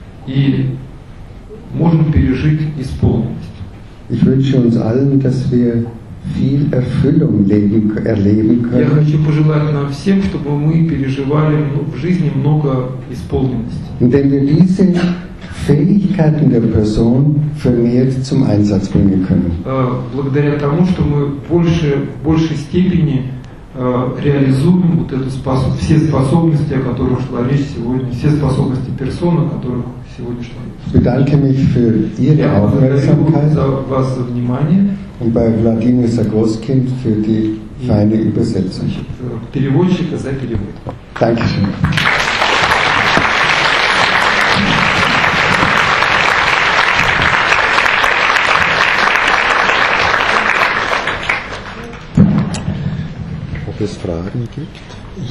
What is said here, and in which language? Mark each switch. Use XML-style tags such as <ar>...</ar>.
<ru>И можем пережить исполненность.</ru> <de>Ich wünsche uns allen, dass wir viel Erfüllung leben, erleben können.</de> <ru>Я хочу пожелать нам всем, чтобы мы переживали в жизни много исполненности.</ru> <de>Indem wir diese Fähigkeiten der Person vermehrt zum Einsatz bringen können.</de> <ru>Благодаря тому, что мы в большей степени реализуем вот эту все способности, о которых шла речь сегодня, все способности персоны, о которых сегодня шла речь.</ru> <de>Bedanke mich für Ihre Aufmerksamkeit.</de> <ru>Я благодарю вас за внимание.</ru> <de>Und bei Vladimir Sagoskin für die feine Übersetzung.</de> <ru>Переводчика за перевод.</ru> <de>Dankeschön. Ob es Fragen gibt?</de>